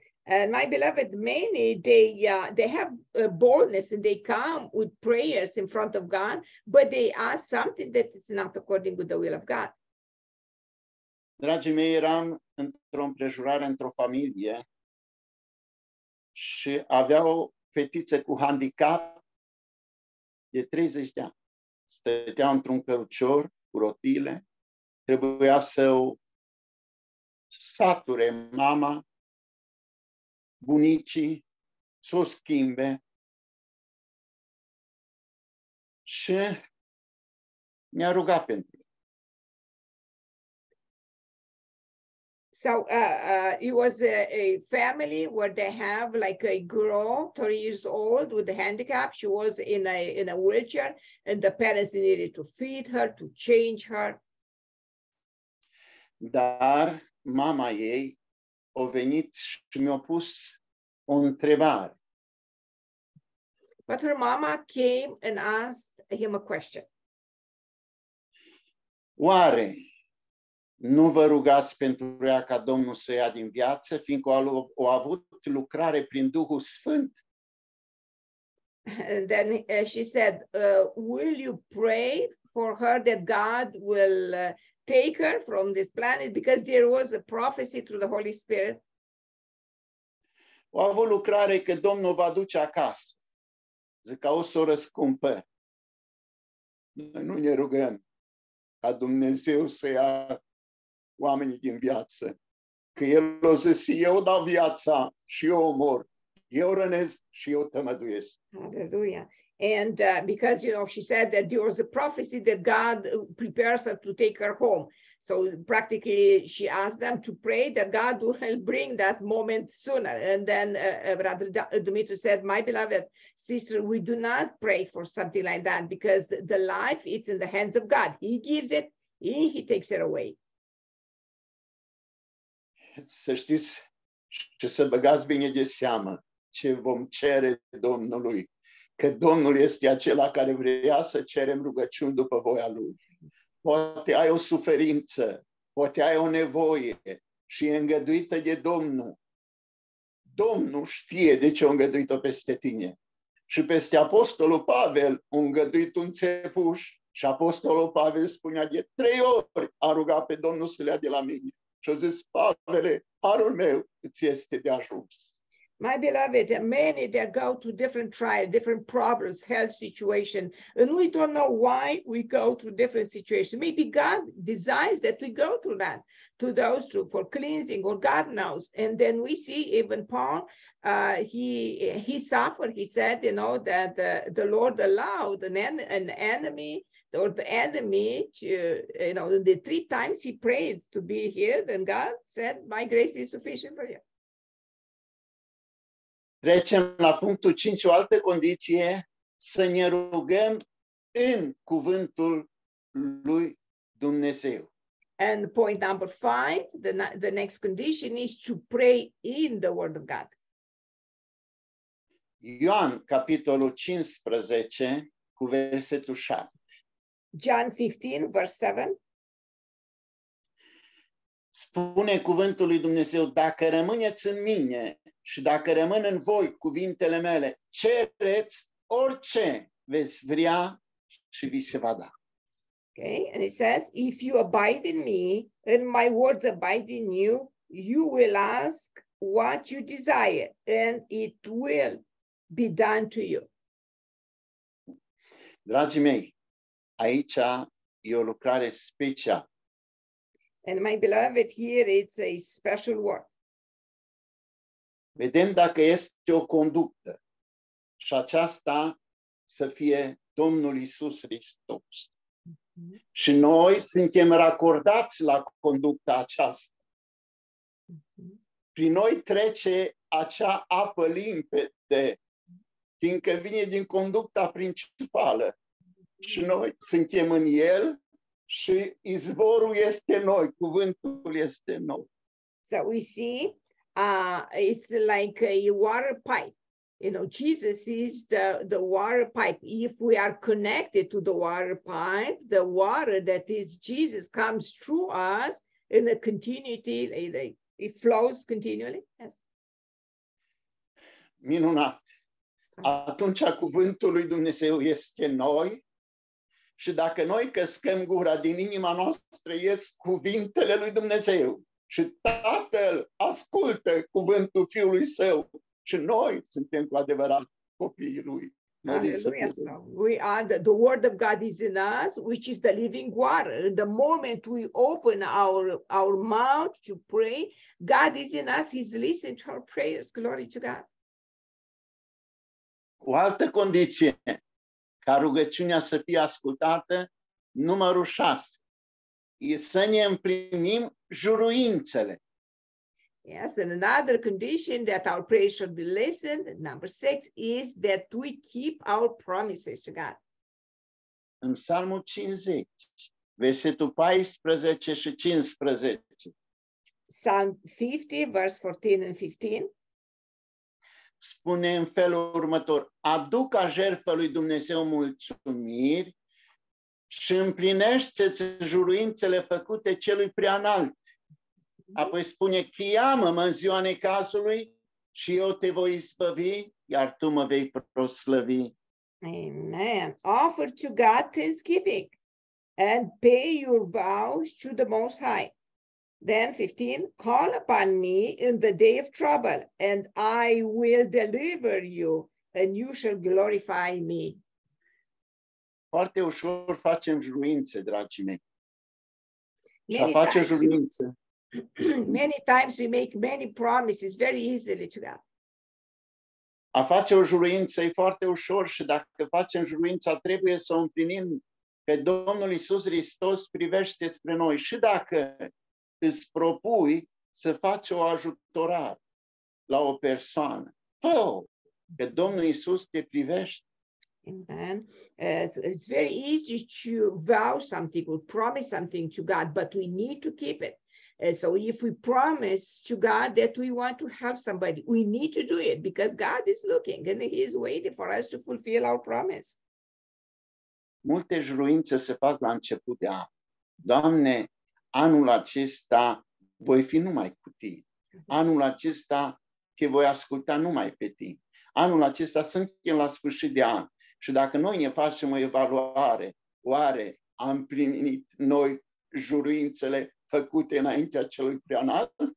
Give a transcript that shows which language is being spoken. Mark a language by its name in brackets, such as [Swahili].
[English] And my beloved, many, they have a boldness and they come with prayers in front of God, but they ask something that is not according to the will of God. [Romanian] Dragii mei, eram într-o împrejurare, într-o familie și avea o fetiță cu handicap de 30 de ani. Stătea într-un cărucior cu rotile, trebuia să o sature mama, bunicii, să o schimbe. Și ne-a rugat pentru. [English] So, it was a family where they have like a girl, 30 years old, with a handicap. She was in a wheelchair, and the parents needed to feed her, to change her. [Romanian] Dar mama ei a venit și mi-a pus o întrebare. [English] But her mama came and asked him a question. [Romanian] Oare nu vă rugați pentru ea ca Domnul să ia din viață, fiindcă a avut lucrare prin Duhul Sfânt? [English] And then she said, will you pray for her that God will take her from this planet because there was a prophecy through the Holy Spirit? [Romanian] O avut lucrare că Domnul va duce acasă. Zic că o să o răscumpă. Noi nu ne rugăm ca Dumnezeu să ia oamenii din viață. Că El o zis, eu dau viața și eu omor. Eu rănesc și eu tămăduiesc. Aleluia. [English] And because, you know, she said that there was a prophecy that God prepares her to take her home. So practically she asked them to pray that God will bring that moment sooner. And then Brother Dumitru said, my beloved sister, we do not pray for something like that because the life, it's in the hands of God. He gives it, he takes it away. [Romanian] Să știți și să băgați bine de seamă ce vom cere Domnului, că Domnul este acela care vrea să cerem rugăciuni după voia Lui. Poate ai o suferință, poate ai o nevoie și e îngăduită de Domnul. Domnul știe de ce a îngăduit-o peste tine. Și peste Apostolul Pavel a îngăduit un țepuș și Apostolul Pavel spunea de 3 ori a rugat pe Domnul să le ia de la mine. Și a zis, Pavele, harul meu îți este de ajuns. [English] My beloved, many they go to different trials, different problems, health situation, and we don't know why we go through different situations. Maybe God desires that we go through that, to those two, for cleansing, or God knows. And then we see even Paul, he suffered. He said, you know, that the Lord allowed an enemy, or the enemy, to, you know, the 3 times he prayed to be healed, and God said, my grace is sufficient for you. [Romanian] Trecem la punctul 5, o altă condiție, să ne rugăm în cuvântul lui Dumnezeu. [English] And point number five, the next condition is to pray in the Word of God. [Romanian] Ioan, capitolul 15, cu versetul 7. [English] John 15, verse 7. [Romanian] Spune cuvântul lui Dumnezeu, dacă rămâneți în mine și dacă rămân în voi cuvintele mele, cereți orice veți vrea și vi se va da. [English] Okay, and it says, if you abide in me, and my words abide in you, you will ask what you desire, and it will be done to you. [Romanian] Dragii mei, aici e o lucrare specială. [English] And my beloved, here it's a special word. [Romanian] Vedem dacă este o conductă și aceasta să fie Domnul Iisus Hristos. Și noi suntem racordați la conducta aceasta. Prin noi trece acea apă limpede, fiindcă vine din conducta principală. Și noi suntem în el și izvorul este noi, cuvântul este noi. [English] So we see, it's like a water pipe. You know, Jesus is the water pipe. If we are connected to the water pipe, the water that is Jesus comes through us in a continuity, it flows continually. Yes. [Romanian] Minunat. Atunci cuvântul lui Dumnezeu este noi și dacă noi căscăm gura din inima noastră, ies cuvintele lui Dumnezeu și Tatăl ascultă cuvântul Fiului Său. Și noi suntem cu adevărat copiii lui. [English] Hallelujah. We are the word of God is in us, which is the living water. The moment we open our mouth to pray, God is in us. He's listening to our prayers. Glory to God. [Romanian] Cu altă condiție, ca rugăciunea să fie ascultată, numărul 6, e să ne împlinim juruințele. [English] Yes, and another condition that our prayer should be listened, number 6, is that we keep our promises to God. [Romanian] În Psalmul 50, versetul 14 și 15. [English] Psalm 50, verse 14 and 15. [Romanian] Spune în felul următor, adu ca jertfă lui Dumnezeu mulțumiri și împlinește-ți juruințele făcute celui preanalt. Apoi spune, cheamă-mă în ziua necazului și eu te voi izbăvi, iar tu mă vei proslăvi. Amen. [English] Offer to God thanksgiving and pay your vows to the Most High. Then 15, call upon me in the day of trouble and I will deliver you and you shall glorify me. [Romanian] Foarte ușor facem juruințe, dragii mei. Și a face juruințe. [English] Many times we make many promises very easily to God. [Romanian] A face o juruință e foarte ușor și dacă facem juruința trebuie să o împlinim că Domnul Iisus Hristos privește spre noi și dacă îți propui să faci o ajutorare la o persoană, fă-o, că Domnul Iisus te privește. Amen. [English] So it's very easy to vow something or promise something to God, but we need to keep it. So if we promise to God that we want to help somebody, we need to do it because God is looking and He is waiting for us to fulfill our promise. [Romanian] Multe juruințe se fac la început de an. Doamne, anul acesta voi fi numai cu Tine. Anul acesta te voi asculta numai pe Tine. Anul acesta suntem la sfârșit de an. Și dacă noi ne facem o evaluare, oare am primit noi juruințele făcute înaintea celui preanalt?